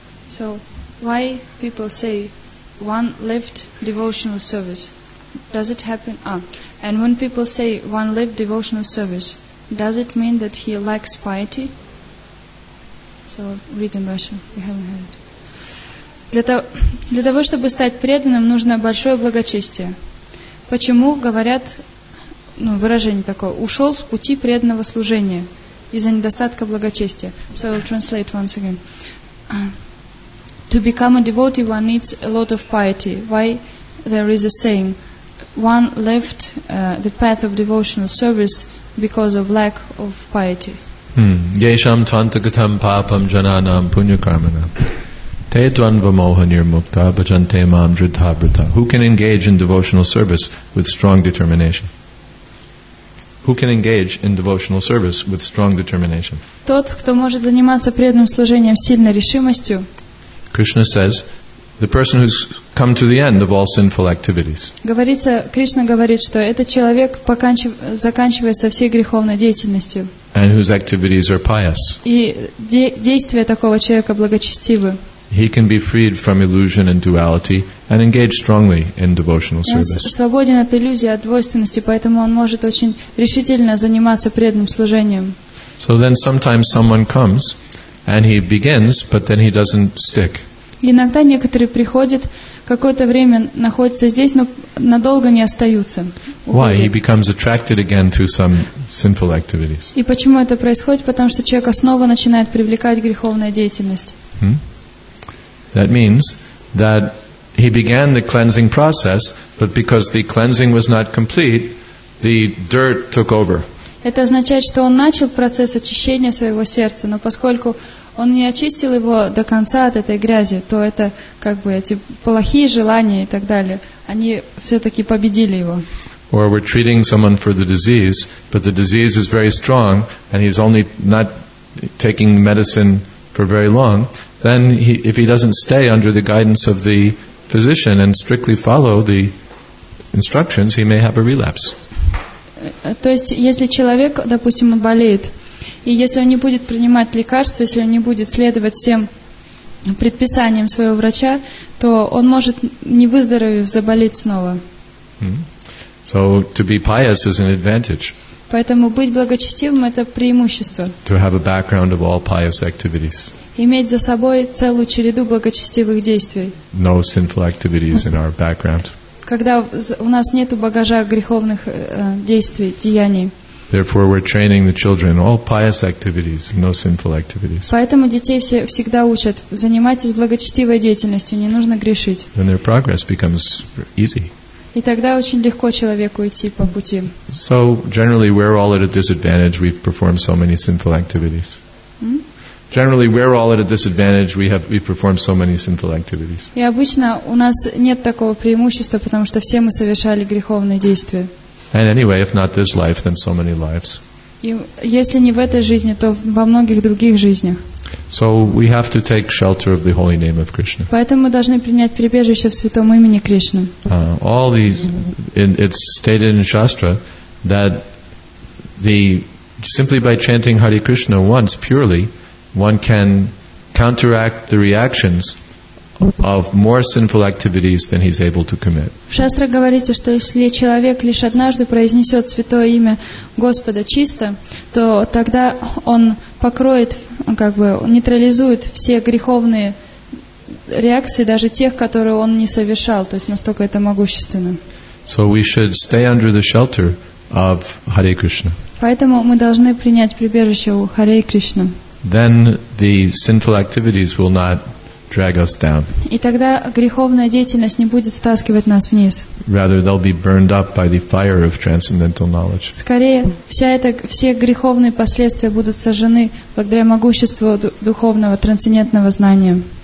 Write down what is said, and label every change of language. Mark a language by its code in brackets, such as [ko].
[en] So, why people say one left devotional service? Does it happen? And when people say one left devotional service, does it mean that he lacks piety? So, read in Russian. We haven't heard it. [ru] Для того, чтобы стать преданным, нужно большое благочестие. Почему говорят, ну, выражение такое, ушел с пути преданного служения из-за недостатка благочестия? [en] So I'll translate once again. To become a devotee, one needs a lot of piety. Why there is a saying, one left the path of devotional service because of lack of piety. [sa] Yesham tvantagatam papam jananam punyakarmana. Te dvanva moha nirmukta bhajante mam dridhabrita. [en] Who can engage in devotional service with strong determination? Who can engage in devotional service with strong determination? [ru] Тот, кто может заниматься преданным служением с сильной решимостью. [en] Krishna says, the person who's come to the end of all sinful activities. [ru] Говорится, Кришна говорит, что этот человек заканчивает со всей греховной деятельностью. [en] And whose activities are pious. [ru] И действия такого человека благочестивы. [en] He can be freed from illusion and duality and engage strongly in devotional service. [ru] Он свободен от иллюзии, от двойственности, поэтому он может очень решительно заниматься преданным служением. [en] So then sometimes someone comes and he begins, but then he doesn't stick. [ru] Иногда некоторые приходят, какое-то время находятся здесь, но надолго не остаются. Уходят. [en] Why? He becomes attracted again to some sinful activities. [ru] И почему это происходит? Потому что человек снова начинает привлекать греховную деятельность. Hmm? [en] That means that he began the cleansing process, but because the cleansing was not complete, the dirt took over. [ru] Это означает, что он начал процесс очищения своего сердца, но поскольку он не очистил его до конца от этой грязи, то это как бы эти плохие желания и так далее, они все-таки победили его. [en] Or we're treating someone for the disease, but the disease is very strong, and he's only not taking medicine for very long. Then, if he doesn't stay under the guidance of the physician and strictly follow the instructions, he may have a relapse. [ru] То есть, если человек, допустим, болеет, и если он не будет принимать лекарства, если он не будет следовать всем предписаниям своего врача, то он может, не выздоровев, заболеть снова. [en] So, to be pious is an advantage. [ru] Поэтому быть благочестивым – это преимущество. [en] To have a background of all pious activities. [ru] Иметь за собой целую череду благочестивых действий. [en] No sinful activities in our background. [ru] Когда у нас нет багажа греховных действий, деяний. [en] Therefore, we're training the children all pious activities, no sinful activities. [ru] Поэтому детей все всегда учат занимайтесь благочестивой деятельностью, не нужно грешить. [en] Then their progress becomes easy. [ru] И тогда очень легко человеку идти по пути. [en] So generally, we're all at a disadvantage. We've performed so many sinful activities. Generally, we're all at a disadvantage. We perform so many sinful activities. [ru] И обычно у нас нет такого преимущества, потому что все мы совершали греховные действия. [en] And anyway, if not this life, then so many lives. [ru] И если не в этой жизни, то во многих других жизнях. [en] So we have to take shelter of the holy name of Krishna. [ru] Поэтому мы должны принять прибежище в святом имени Кришны. [en] All these, it's stated in Shastra that the simply by chanting Hare Krishna once purely. One can counteract the reactions of more sinful activities than he's able to commit. [ru] В шастрах говорится, что если человек лишь однажды произнесет святое имя Господа чисто, то тогда он покроет, как бы нейтрализует все греховные реакции, даже тех, которые он не совершал. То есть настолько это могущественно. [en] So we should stay under the shelter of Hare Krishna. [ru] Поэтому мы должны принять прибежище у Харе Кришны. [en] Then the sinful activities will not drag us down. [ru] И тогда греховная деятельность не будет стаскивать нас вниз. [en] Rather, they'll be burned up by the fire of transcendental knowledge. [ru] Скорее, все греховные последствия будут сожжены благодаря могуществу духовного трансцендентного знания.